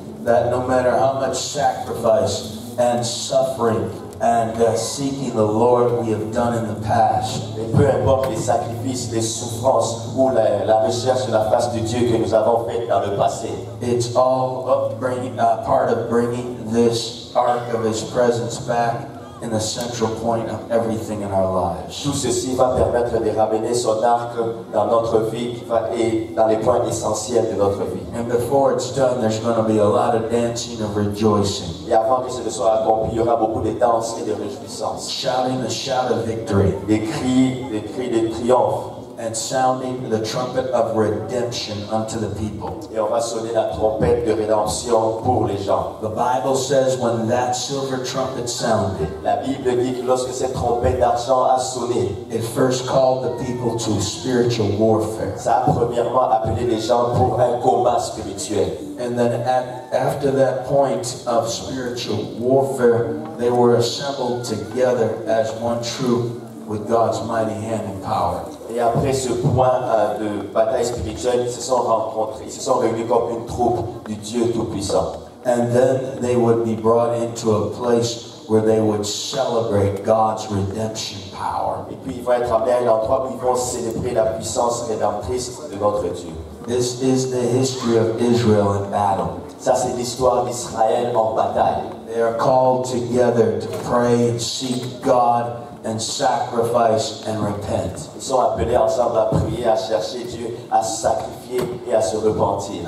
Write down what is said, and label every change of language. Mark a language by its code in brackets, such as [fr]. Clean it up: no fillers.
[en] that no matter how much sacrifice and suffering and seeking the Lord we have done in the past, [fr] et peu importe les sacrifices, les souffrances ou la recherche de la face de Dieu que nous avons fait dans le passé, [en] it's all part of bringing this ark of His presence back in the central point of everything in our lives. [fr] Tout ceci va permettre de ramener son arc dans notre vie et dans les points essentiels de notre vie. [en] And before it's done, there's going to be a lot of dancing and rejoicing. [fr] Et avant que ce soit accompli, il y aura beaucoup de danse et de réjouissance. [en] Shouting the shout of victory. [fr] Des cris de triomphe. [en] And sounding the trumpet of redemption unto the people. [fr] Et on va sonner la trompette de rédemption pour les gens. [en] The Bible says when that silver trumpet sounded, [fr] la Bible dit que lorsque cette trompette d'argent a sonné, [en] it first called the people to spiritual warfare. [fr] Ça a premièrement appelé les gens pour un combat spirituel. [en] And then after that point of spiritual warfare, they were assembled together as one troop with God's mighty hand and power. [fr] Et après ce point de bataille spirituelle, ils se sont rencontrés, ils se sont réunis comme une troupe du Dieu Tout-Puissant. [en] And then they would be brought into a place where they would celebrate God's redemption power. [fr] Et puis ils vont être amenés à un endroit où ils vont célébrer la puissance rédemptrice de notre Dieu. [en] This is the history of Israel in battle. [fr] Ça, c'est l'histoire d'Israël en bataille. [en] They are called together to pray and seek God and sacrifice and repent. [fr] Ils sont appelés ensemble à prier, à chercher Dieu, à sacrifier et à se repentir.